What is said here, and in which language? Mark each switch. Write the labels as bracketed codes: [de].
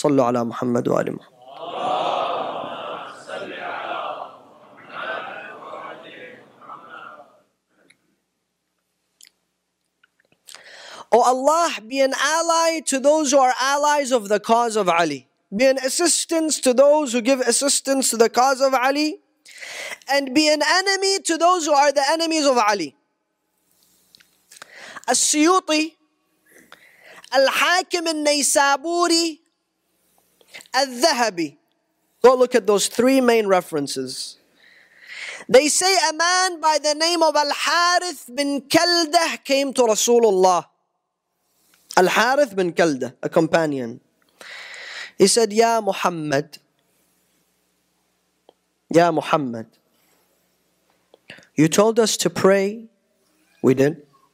[ar] صلوا على محمد وآل محمد. [en] O Allah, be an ally to those who are allies of the cause of Ali. Be an assistance to those who give assistance to the cause of Ali. And be an enemy to those who are the enemies of Ali. [ar] السيوطي الحاكم النيسابوري الذهبي. [en] Go look at those three main references. They say a man by the name of Al-Harith bin Kaldah came to Rasulullah. Al-Harith bin Kaldah, a companion. He said, Ya Muhammad, Ya Muhammad, you told us to pray. We did.